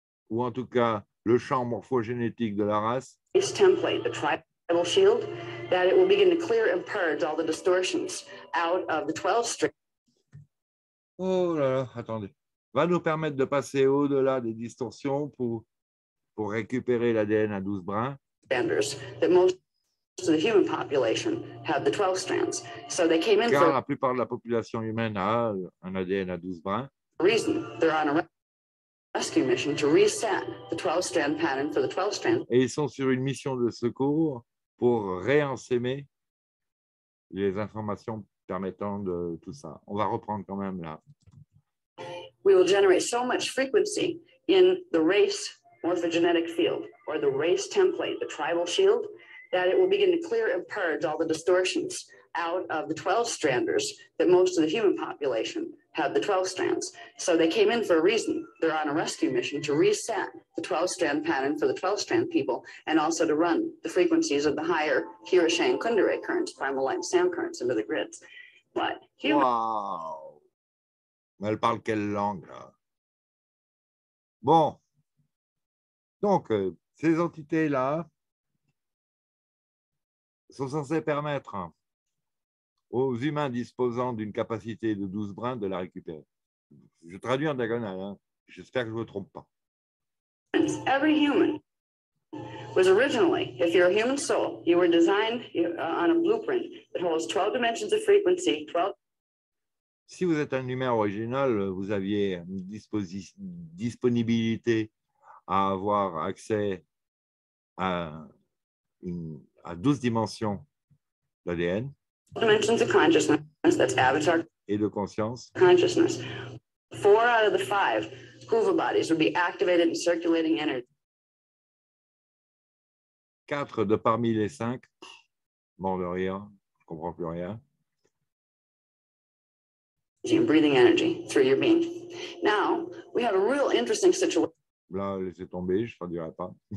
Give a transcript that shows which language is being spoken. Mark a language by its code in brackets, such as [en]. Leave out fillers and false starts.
[fr] ou en tout cas le champ morphogénétique de la race, [en] its template, the shield, that it will begin to clear and purge all the distortions out of the 12 strand. [fr] Oh là là, attendez. Va nous permettre de passer au-delà des distorsions pour récupérer l'ADN à 12 brins. [en] Standards that most of the human population have the 12 strands. So they came in. [fr] Car [en] for [fr] la plupart de la population humaine a un ADN à 12 brins. [en] Reason they're on a rescue mission to reset the 12 strand pattern for the 12 strand. [fr] Et ils sont sur une mission de secours pour réensemer les informations permettant de tout ça. On va reprendre quand même là. [en] We will generate so much frequency in the race morphogenetic field or the race template, the tribal shield, that it will begin to clear and purge all the distortions out of the 12 stranders that most of the human population have the 12 strands. So they came in for a reason. They're on a rescue mission to reset the 12 strand pattern for the 12 strand people and also to run the frequencies of the higher Hiroshain Kundera currents, primal light sound currents into the grids. But [fr] wow. Mais elle parle quelle langue là? Bon. Donc, ces entités là sont censées permettre aux humains disposant d'une capacité de 12 brins de la récupérer. Je traduis en diagonale, hein. J'espère que je ne me trompe pas. [en] Every human was originally, if you're a human soul, you were designed on a blueprint that holds 12 dimensions of frequency, 12. [fr] Si vous êtes un humain original, vous aviez une disponibilité à avoir accès à 12 dimensions d'ADN. [en] Dimensions of consciousness, that's avatar. [fr] Et de conscience. [en] Consciousness. Four out of the five Kuva bodies would be activated and circulating energy. [fr] Quatre de parmi les cinq, mort de rire, je comprends plus rien. [en] You're breathing energy through your being. Now, we have a real interesting situation. [fr] Là, laissez tomber, je ne dirai pas.